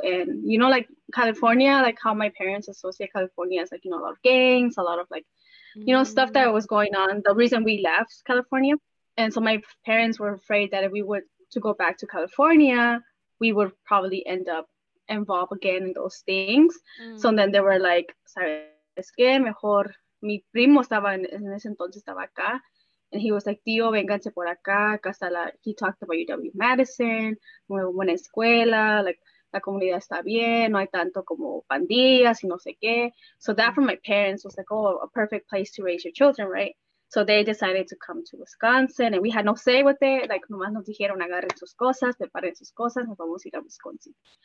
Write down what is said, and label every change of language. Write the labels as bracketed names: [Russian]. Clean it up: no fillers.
[English] And, like, California, like how my parents associate California as, like, a lot of gangs, a lot of, like, stuff that was going on, the reason we left California. And so my parents were afraid that if we were to go back to California, we would probably end up involved again in those things. So then they were like, [Spanish] ¿sabes qué? Mejor mi primo estaba en ese entonces estaba acá. [English] And he was like, [Spanish] tío, vénganse por acá. Acá está [English] he talked about UW Madison, [Spanish] muy buena escuela, like, la comunidad está bien, no hay tanto como pandillas y no sé qué. [English] So that for my parents was like, oh, a perfect place to raise your children, right? So they decided to come to Wisconsin, and we had no say with it. Like, [Spanish] nomás nos dijeron, agarren sus cosas, preparen sus cosas, nos vamos a ir a Wisconsin.